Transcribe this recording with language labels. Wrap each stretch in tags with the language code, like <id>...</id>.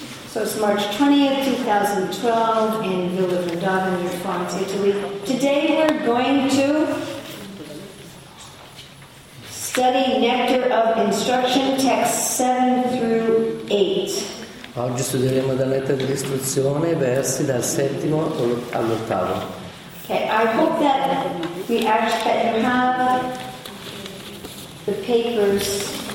<en>So it's March 20th, 2012 in Villa Vrindavan near Florence, Italy. Today we're going to study Nectar of Instruction, text 7 through 8.</en> <it>Oggi studieremo dal Nettare dell'Istruzione, versi dal settimo all'ottavo.</it> <en>Okay, I hope that we actually have the papers.</en>